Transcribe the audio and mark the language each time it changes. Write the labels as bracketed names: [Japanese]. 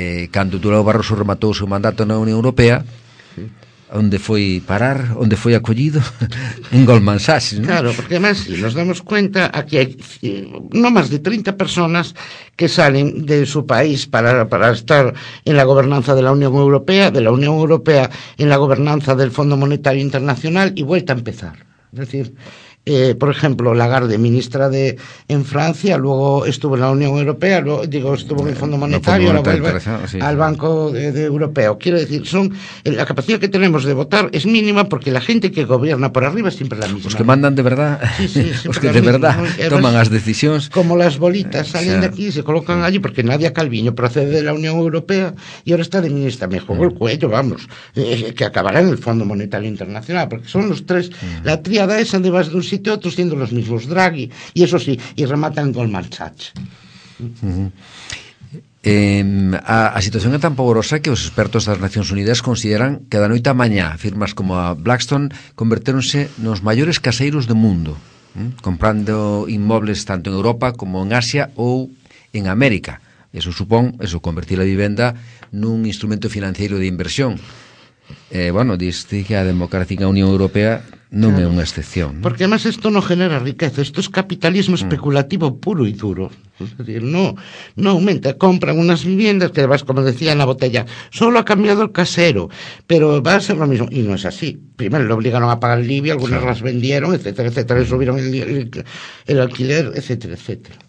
[Galician] Cando Durao Barroso rematou o seu mandato na Unión Europea, onde foi parar, onde foi acollido, en Goldman Sachs, ¿no? [Spanish] Claro, porque además, si nos damos cuenta, aquí hay no más de 30 personas que salen de su país para estar en la gobernanza de la Unión Europea, de la Unión Europea en la gobernanza del Fondo Monetario Internacional y vuelta a empezar. Es decir, por ejemplo, Lagarde, ministra en Francia, luego estuvo en la Unión Europea, estuvo en el Fondo Monetario, ahora vuelve al Banco de Europeo. Quiero decir, la capacidad que tenemos de votar es mínima porque la gente que gobierna por arriba es siempre la misma. Los que mandan de verdad, los que de verdad toman las decisiones. Como las bolitas salen de aquí y se colocan allí porque Nadia Calviño procede de la Unión Europea y ahora está de ministra. Me jugó el cuello, vamos, que acabará en el Fondo Monetario Internacional, porque son los tres, la tríada esa de base de un sitio, otros siendo los mismos, Draghi, y eso sí, y rematan Goldman Sachs. [Galician] A situación é tan pavorosa que os expertos das Nacións Unidas consideran que da noite a mañá firmas como a Blackstone convertéronse nos maiores caseiros do mundo, comprando inmobles tanto en Europa como en Asia ou en América. Eso supón, eso, convertir a vivenda nun instrumento financiero de inversión. Bueno, diste que a democracia na Unión Europea non é unha excepción, ¿no? Porque además isto non genera riqueza, isto é capitalismo especulativo puro e duro. [Spanish] Es decir, no aumenta, compran unas viviendas que vas, como decía, en la botella, solo ha cambiado el casero, pero va a ser lo mismo, y no es así. Primero le obligaron a pagar el IBI, algunas las vendieron, etcétera, etcétera, le subieron el alquiler, etcétera, etcétera.